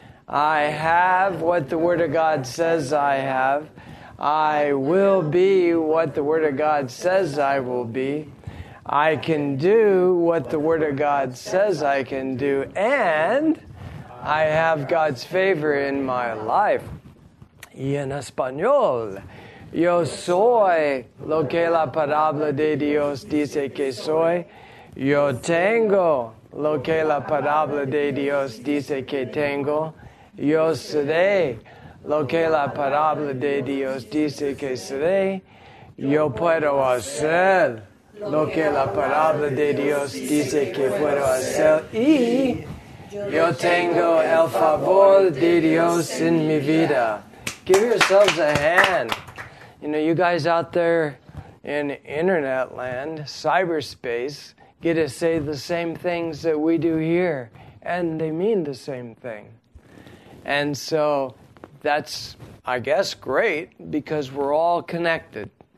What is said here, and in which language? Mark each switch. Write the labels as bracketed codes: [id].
[en] I have what the Word of God says I have. I will be what the Word of God says I will be. I can do what the Word of God says I can do. And I have God's favor in my life. [es] Y en español, yo soy lo que la palabra de Dios dice que soy. Yo tengo lo que la palabra de Dios dice que tengo. Yo seré lo que la palabra de Dios dice que seré. Yo puedo hacer lo que la palabra de Dios dice que puedo hacer. Y yo tengo el favor de Dios en mi vida. [en] Give yourselves a hand. You know, you guys out there in internet land, cyberspace, get to say the same things that we do here. And they mean the same thing. And so that's, I guess, great because we're all connected.